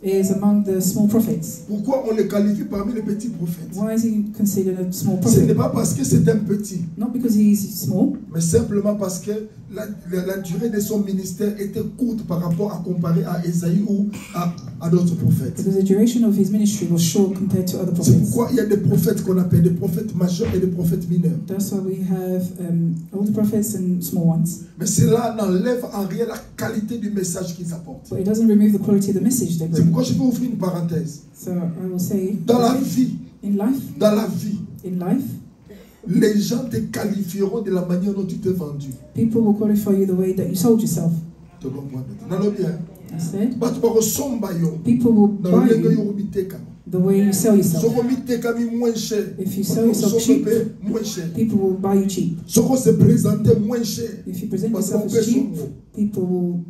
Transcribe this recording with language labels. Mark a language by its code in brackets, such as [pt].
[en] Is among the small prophets. [fr] Pourquoi on le qualifie parmi les petits prophètes? [en] Why is he considered a small prophet? [fr] Ce n'est pas parce que c'est un petit. [en] Not because he is small. [fr] Mais simplement parce que la durée de son ministère était courte par rapport à comparer à Ésaïe ou à d'autres prophètes. [en] Because the duration of his ministry was short compared to other prophets. [fr] C'est pourquoi il y a des prophètes qu'on appelle des prophètes majeurs et des prophètes mineurs. [en] That's why we have older prophets and small ones. [fr] Mais cela n'enlève en rien la qualité du message qu'ils apportent. [en] But it doesn't remove the quality of the message they bring. [fr] C'est pourquoi je vais ouvrir une parenthèse. [en] So I will say. [fr] Dans la vie. [en] In life. [fr] Dans la vie. [en] In life. [fr] Les gens te qualifieront de la manière dont tu t'es vendu. [en] People will qualify you the way that you sold yourself. [fr] Tu comprends maintenant? Allons bien. [en] That's it. People will buy you the way you sell yourself. If you sell yourself cheap, people will buy you cheap. If you present yourself as cheap, people will